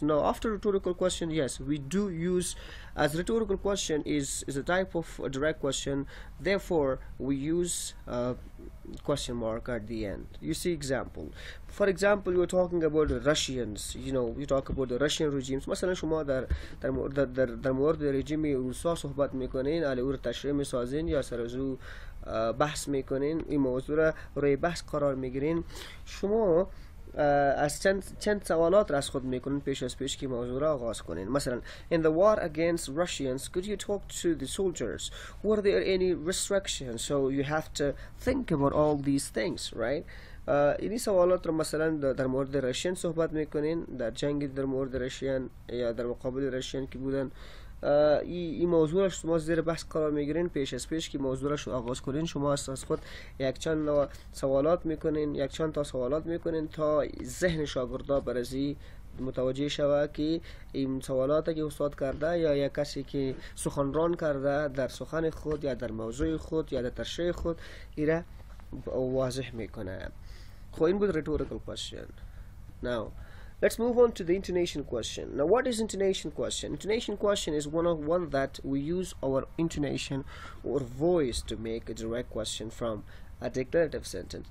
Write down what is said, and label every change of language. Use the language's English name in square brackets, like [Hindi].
[English] Now after rhetorical question, yes, we do use, as rhetorical question is a type of a direct question, therefore we use a question mark at the end. You see example. For example, you're talking about the Russians, you know, you talk about the Russian regimes. [Persian] مثلا شما در مورد رژیم روسا صحبت میکنین، علی او رو تشریح میسازین یا سر از او بحث میکنین، این موضوع رو روی بحث قرار میگیرین. شما از چند سوالات را از خود میکنین پیش از پیش که موضوع را آغاز کنین. [English] مثلا in the war against Russians, could you talk to the soldiers? Were there any restrictions? So you have to think about all these things, right? [Persian] اینی سوالات را مثلا در مورد رشین صحبت میکنین، در جنگی در مورد رشین یا در مقابل رشین که بودن، این موضوع را شما زیر بحث قرار میگیرین پیش از پیش که موضوع را شو آغاز کنین. شما از خود یک چند سوالات میکنین، یک چند تا سوالات میکنین تا ذهن شاگردا برزی متوجه شوه که این سوالات که استاد کرده یا یک کسی که سخنران کرده در سخن خود یا در موضوع خود یا در تشریح خود ای را واضح میکنه. خب این بود rhetorical question. [English] Now let's move on to the intonation question. Now what is intonation question? Intonation question is one that we use our intonation or voice to make a direct question from a declarative sentence.